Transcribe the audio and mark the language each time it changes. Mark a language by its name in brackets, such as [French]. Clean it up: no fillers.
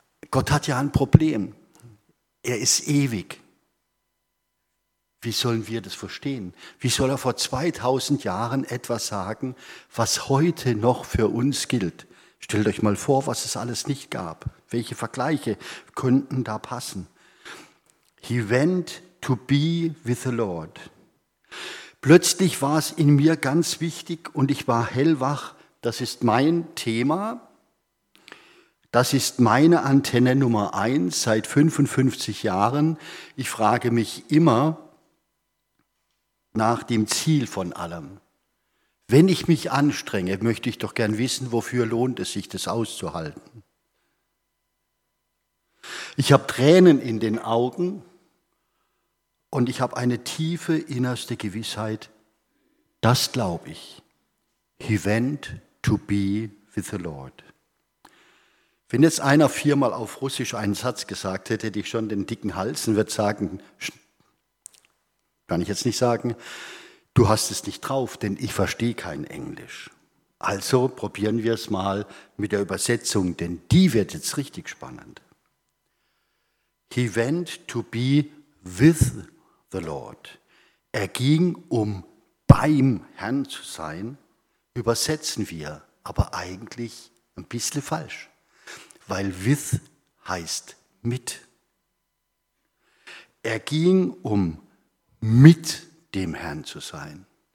[German] Gott hat ja ein Problem. Er ist ewig. Wie sollen wir das verstehen? Wie soll er vor 2000 Jahren etwas sagen, was heute noch für uns gilt? Stellt euch mal vor, was es alles nicht gab. Welche Vergleiche könnten da passen? [English] He went to be with the Lord. [German] Plötzlich war es in mir ganz wichtig und ich war hellwach. Das ist mein Thema. Das ist meine Antenne Nummer 1 seit 55 Jahren. Ich frage mich immer nach dem Ziel von allem. Wenn ich mich anstrenge, möchte ich doch gern wissen, wofür lohnt es sich, das auszuhalten. Ich habe Tränen in den Augen und ich habe eine tiefe innerste Gewissheit. Das glaube ich. [English] He went to be with the Lord. [German] Wenn jetzt einer viermal auf Russisch einen Satz gesagt hätte, hätte ich schon den dicken Hals und würde sagen, kann ich jetzt nicht sagen, du hast es nicht drauf, denn ich verstehe kein Englisch. Also probieren wir es mal mit der Übersetzung, denn die wird jetzt richtig spannend. [English] He went to be with the Lord. [German] Er ging, um beim Herrn zu sein, übersetzen wir, aber eigentlich ein bisschen falsch. Weil with heißt mit. Er ging, um mit dem Herrn zu sein.